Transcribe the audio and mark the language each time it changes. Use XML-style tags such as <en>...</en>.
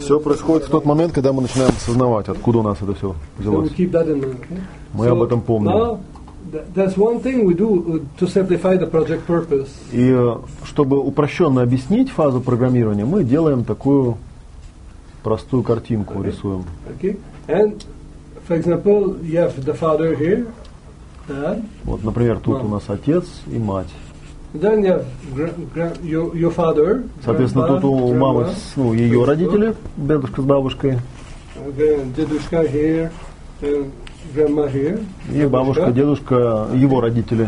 <ru>Все происходит в тот момент, когда мы начинаем осознавать, откуда у нас это все взялось.</ru> <en>So we keep that in mind. Okay?</en> <ru>Мы об этом помним.</ru> <en>Now, that's one thing we do to simplify the project purpose.</en> <ru>И чтобы упрощенно объяснить фазу программирования, мы делаем такую простую картинку рисуем. Okay.</ru> <en>And, for example, you have the father here, dad.</en> <ru>Вот, например, тут у нас отец и мать.</ru> <en>Then you have your father,</en> <ru>соответственно, тут у мамы, ну, ее родители, дедушка с бабушкой.</ru> <en>Дедушка here, and grandma here.</en> <ru>И бабушка, дедушка, его родители.</ru>